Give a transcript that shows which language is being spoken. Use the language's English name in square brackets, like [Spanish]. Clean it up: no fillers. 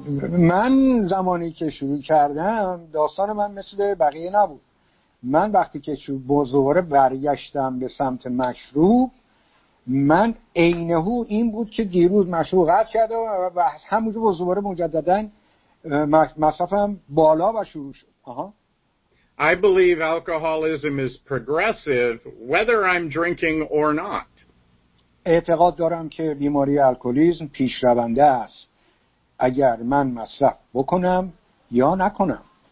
[Persian] من زمانی که شروع کردم داستان من مثل بقیه نبود. من وقتی که شروع بزرگ برگشتم به سمت مشروب، من عینه این بود که دیروز مشروب قطع کرده و همونجا بزرگ مجددا مصرفم بالا و شروع شد. [English] I believe alcoholism is progressive whether I'm drinking or not. [Persian] اعتقاد دارم که بیماری الکلیسم پیشرونده است اگر من مصرف بکنم یا نکنم.